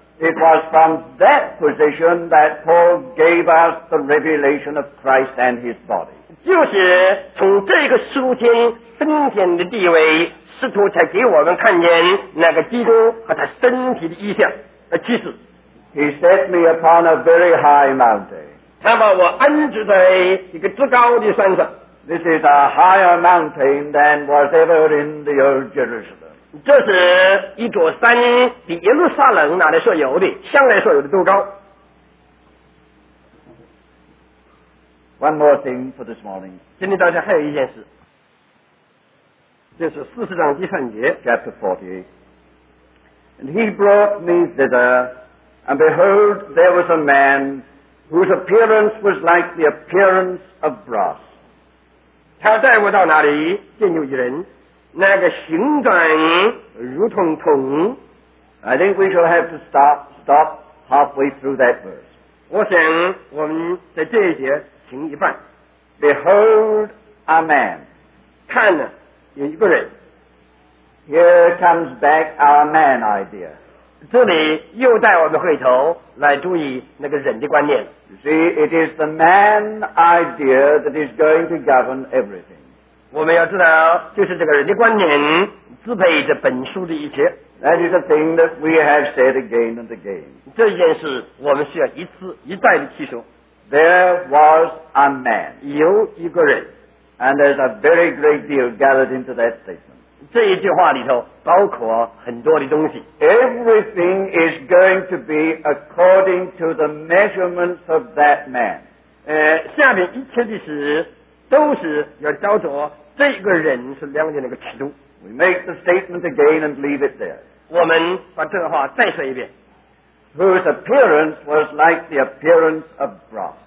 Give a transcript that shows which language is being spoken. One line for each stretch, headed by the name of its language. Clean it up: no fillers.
English: It was from that position that Paul gave us the revelation of Christ and His body.
Chinese: 就是从这个属天升天的地位，使徒才给我们看见那个基督和他身体的意象和启示。
English: He set me upon a very high mountain.
Chinese: 他把我安置在一个至高的山上。
English: This is a higher mountain than was ever in the old Jerusalem.
Chinese: 这是一座山，比耶路撒冷哪里所有的，向来所有的都高。
English: One more thing for this morning.
Chinese: 今天大家还有一件事，这是四十章第三节
English: ，Chapter 48. And he brought me thither, and behold, there was a man whose appearance was like the appearance of brass.
Chinese: 他带我到哪里，见有一人，那个形状如同铜。
English: I think we shall have to stop halfway through that verse.
Chinese: 我想我们在这一节停一半。
English: Behold a man.
Chinese: 看呢，有一个人。
English: Here comes back our man idea.
Chinese: 这里又带我们回头来注意那个人的观念。
English: You see, it is the man idea that is going to govern everything.
Chinese: 我们要知道，就是这个人的观念支配着本书的一切。
English: That is the thing that we have said again and again.
Chinese: 这件事我们需要一次一再的提醒。
English: There was a man.
Chinese: 有一个人。
English: And there's a very great deal gathered into that statement.
Chinese: 这一句话里头包括很多的东西。
English: Everything is going to be according to the measurements of that man.
Chinese: 下面一切的事都是要照着这个人是量的那个尺度。
English: We make the statement again and leave it there.
Chinese: 我们把这话再说一遍。
English: Whose appearance was like the appearance of brass.